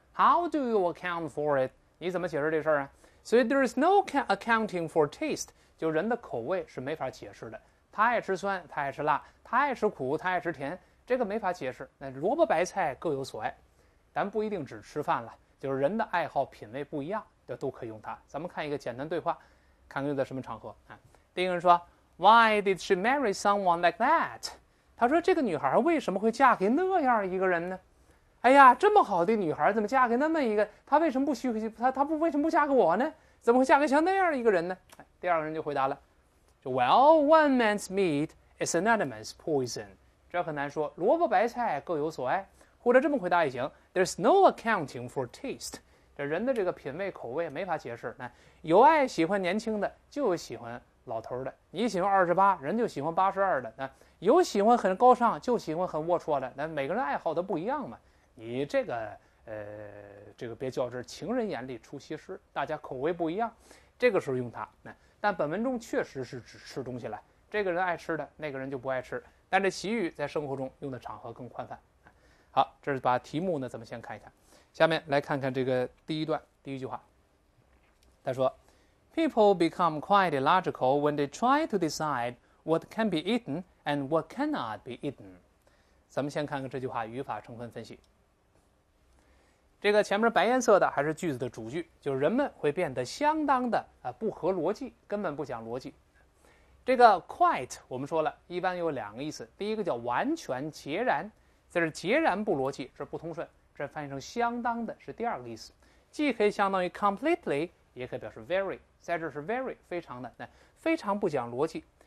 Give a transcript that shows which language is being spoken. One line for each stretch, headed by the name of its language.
English: How do you account for it？
Chinese: 你怎么解释这事儿啊？所以
English: there is no accounting for taste，
Chinese: 就人的口味是没法解释的。他爱吃酸，他爱吃辣，他爱吃苦，他爱吃甜，这个没法解释。那萝卜白菜各有所爱，咱不一定只吃饭了，就是人的爱好品味不一样，就都可以用它。咱们看一个简单对话，看看用在什么场合啊？第一个人说
English: ，Why did she marry someone like that？
Chinese: 他说这个女孩为什么会嫁给那样一个人呢？哎呀，这么好的女孩怎么嫁给那么一个，她为什么不许回去，她不为什么不嫁给我呢？怎么会嫁给像那样一个人呢？第二个人就回答了，就
English: Well, one man's meat is another man's poison，
Chinese: 这很难说，萝卜白菜各有所爱，或者这么回答也行，
English: There's no accounting for taste，
Chinese: 这人的这个品味口味没法解释。有爱喜欢年轻的，就有喜欢老头的，你喜欢28，人就喜欢82的，有喜欢很高尚，就喜欢很龌龊的，每个人爱好都不一样嘛。你这个别较真，情人眼里出西施，大家口味不一样，这个时候用它。但本文中确实是只吃东西了，这个人爱吃的，那个人就不爱吃，但这习语在生活中用的场合更宽泛。好，这是把题目呢咱们先看一看，下面来看看这个第一段第一句话。他说
English: People become quite illogical when they try to decide what can be eaten and what cannot be eaten。
Chinese: 咱们先看看这句话语法成分分析。这个前面白颜色的还是句子的主句，就是人们会变得相当的不合逻辑，根本不讲逻辑。这个 quite 我们说了一般有两个意思，第一个叫完全截然，这是截然不逻辑，这不通顺，这翻译成相当的是第二个意思，既可以相当于 completely， 也可以表示 very， 在这是 very 非常的，那非常不讲逻辑。